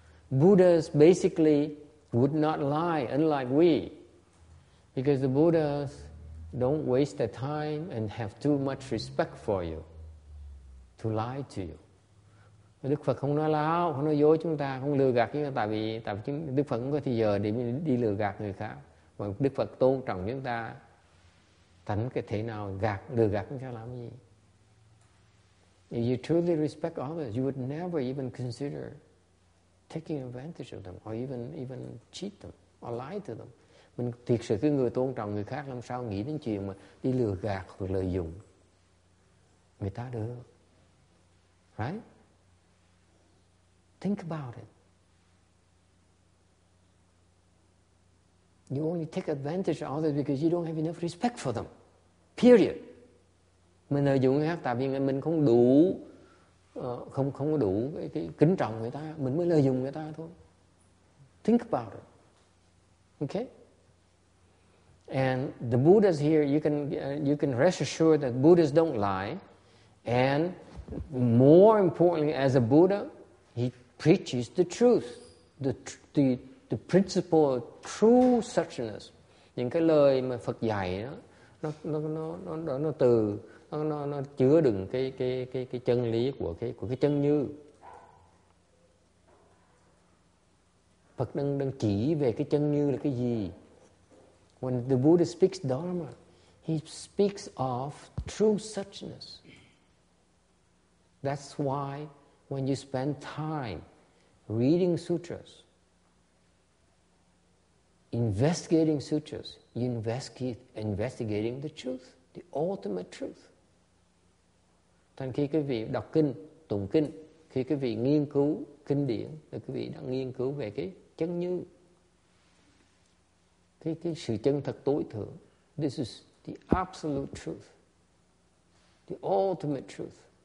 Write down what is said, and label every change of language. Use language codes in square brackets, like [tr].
[en] Buddhas basically would not lie, unlike we, because the Buddhas don't waste their time and have too much respect for you to lie to you. [vi] Đức Phật không nói láo, không nói dối chúng ta, không lừa gạt chúng ta, tại vì Đức Phật không có thời giờ để đi lừa gạt người khác. Và Đức Phật tôn trọng chúng ta, thành cái thế nào gạt, lừa gạt chúng ta làm gì? [en] If you truly respect others, you would never even consider taking advantage of them, or even cheat them, or lie to them. [vi] Mình thiệt sự cái người tôn trọng người khác, làm sao nghĩ đến chuyện mà đi lừa gạt hoặc lợi dụng người ta được. [en] Right? Think about it. You only take advantage of others because you don't have enough respect for them. Period. [vi] Mình lợi dụng người khác tại vì mình không đủ không có đủ cái kính trọng người ta, mình mới lợi dụng người ta thôi. [en] Think about it. Okay? And the Buddhas here, you can rest assured that Buddhas don't lie. And more importantly, as a Buddha, he preaches the truth, the principle of true suchness. [vi] Những cái lời mà Phật dạy đó, nó chứa đựng cái chân lý của cái chân như. Phật đang chỉ về cái chân như là cái gì? [en] When the Buddha speaks Dharma, he speaks of true suchness. That's why when you spend time reading sutras, investigating sutras, you investigating the truth, the ultimate truth. [vi] Thành khi quý vị đọc kinh, tụng kinh, khi quý vị nghiên cứu kinh điển, thì quý vị đang nghiên cứu về cái chân như. Cái sự chân thật tối thượng. [en] This is the absolute truth. The ultimate truth.